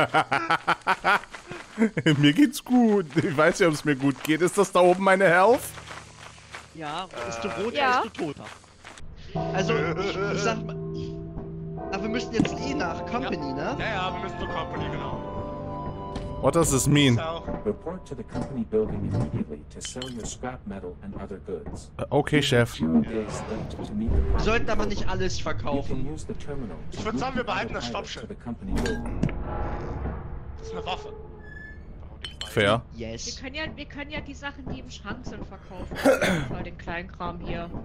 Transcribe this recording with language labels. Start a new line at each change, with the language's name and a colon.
German: Okay. Mir geht's gut. Ich weiß ja, ob es mir gut geht. Ist das da oben meine Health? Ja, bist du rot, ja. Bist du toter. Also, ich sag mal. Aber wir müssen jetzt eh nach Company, ja. Ne? Ja, ja, wir müssen zur Company, genau.
English: What does this mean? Report to the company building immediately to sell your scrap metal and other goods.
German: Okay, Chef. Wir sollten aber nicht alles verkaufen. Ich würde sagen, wir behalten das Stoppschild. Das ist eine Waffe.
English: Fair. Yes.
German: Wir können ja die Sachen, die im Schrank sind, verkaufen. Vor allem den kleinen Kram hier.